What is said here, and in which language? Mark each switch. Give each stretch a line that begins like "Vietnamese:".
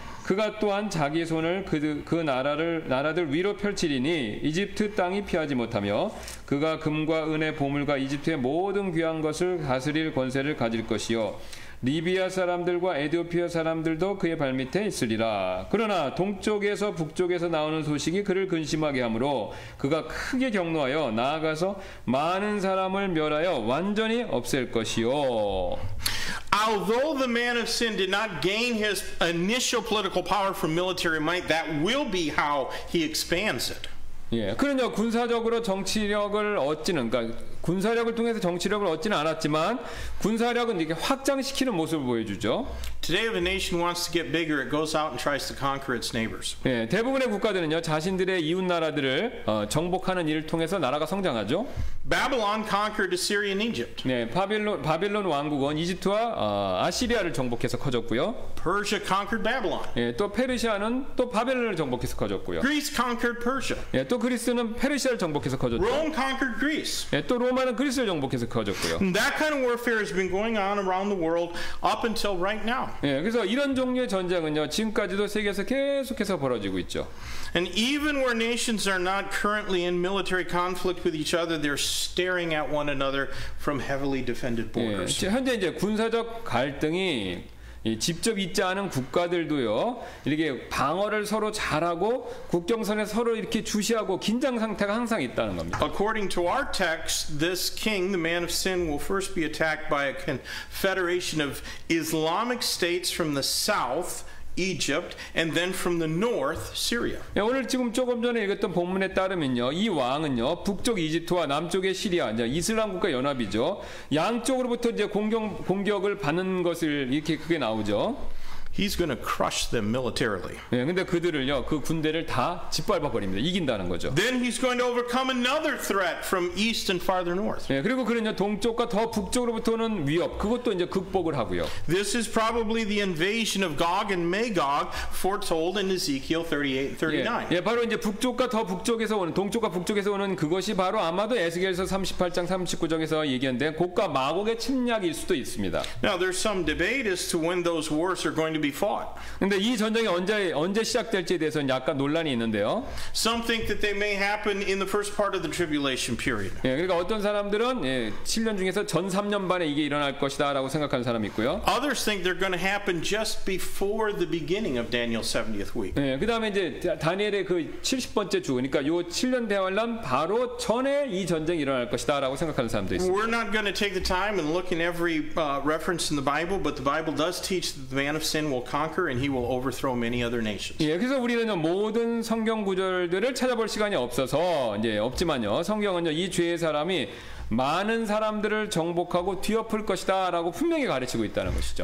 Korean: 그가 또한 자기 손을 그 나라들 위로 펼치리니 이집트 땅이 피하지 못하며 그가 금과 은의 보물과 이집트의 모든 귀한 것을 다스릴 권세를 가질 것이요 리비아 사람들과 에디오피아 사람들도 그의 발밑에 있으리라. 그러나 동쪽에서 북쪽에서 나오는 소식이 그를 근심하게 하므로 그가 크게 격노하여 나아가서 많은 사람을 멸하여 완전히 없앨 것이요.
English: Although the man of sin did not gain his initial political power from military might, that will be how he expands it.
Korean: 예, 그러나 군사적으로 정치력을 얻지는 그러니까 군사력을 통해서 정치력을 얻지는 않았지만 군사력은 이렇게 확장시키는 모습을 보여주죠.
English: Today, if a nation wants to get bigger, it goes out and tries to conquer its neighbors.
Korean: 예, 대부분의 국가들은요 자신들의 이웃 나라들을 정복하는 일을 통해서 나라가 성장하죠.
English: Babylon conquered Assyria and Egypt.
Korean: 네, 바빌론 왕국은 이집트와 아시리아를 정복해서 커졌고요.
English: Persia conquered Babylon.
Korean: 예, 또 페르시아는 또 바벨론을 정복해서 커졌고요.
English: Greece conquered Persia.
Korean: 예, 또 그리스는 페르시아를 정복해서 커졌죠.
English: Rome conquered Greece.
Korean: 예, 또 로마는 그리스를 정복해서 커졌고요.
English: That kind of warfare has been going on around the world up until right now.
Korean: 예, 그래서 이런 종류의 전쟁은요 지금까지도 세계에서 계속해서 벌어지고 있죠.
English: And even where nations are not currently in military conflict with each other, they're staring at one another from heavily defended borders.
Korean: 예, 현재 이제 군사적 갈등이 직접 있지 않은 국가들도요 이렇게 방어를 서로 잘하고 국경선에 서로 이렇게 주시하고 긴장 상태가 항상 있다는 겁니다.
English: According to our text, this king, the man of sin, will first be attacked by a confederation of Islamic states from the south, Egypt, and then from the north, Syria.
Korean: 예, 오늘 지금 조금 전에 읽었던 본문에 따르면요, 이 왕은요, 북쪽 이집트와 남쪽의 시리아, 이제 이슬람 국가 연합이죠. 양쪽으로부터 이제 공격을 받는 것을 이렇게 크게 나오죠.
English: He's going to crush them militarily.
Korean: 예, 근데 그들을요, 그 군대를 다 짓밟아 버립니다. 이긴다는 거죠.
English: Then he's going to overcome another threat from east and farther north.
Korean: 예, 그리고 그는요, 동쪽과 더 북쪽으로부터는 위협, 그것도 이제 극복을 하고요.
English: This is probably the invasion of Gog and Magog foretold in Ezekiel 38-39.
Korean: 예, 바로 이제 북쪽과 더 북쪽에서 오는 동쪽과 북쪽에서 오는 그것이 바로 아마도 에스겔서 38장 39장에서 예견된 곡과 마곡의 침략일 수도 있습니다.
English: Now there's some debate as to when those wars are going to be fought.
Korean: 근데 이 전쟁이 언제 시작될지에 대해서는 약간 논란이 있는데요.
English: Some think that they may happen in the first part of the tribulation period.
Korean: 예, 그러니까 어떤 사람들은 예, 7년 중에서 전 3년 반에 이게 일어날 것이다라고 생각하는 사람이 있고요.
English: Others think they're going to happen just before the beginning of Daniel's 70th week.
Korean: 예, 그다음에 이제 다니엘의 그 70번째 주 그러니까 요 7년 대환란 바로 전에 이 전쟁이 일어날 것이다라고 생각하는 사람도 있습니다.
English: We're not going to take the time and look in every reference in the Bible, but the Bible does teach that the man of sin will will conquer and he will overthrow many other nations.
Korean: 예, 그래서 우리는 모든 성경 구절들을 찾아볼 시간이 없어서 이제 없지만요. 성경은요, 이 죄의 사람이 많은 사람들을 정복하고 뒤엎을 것이다라고 분명히 가르치고 있다는 것이죠.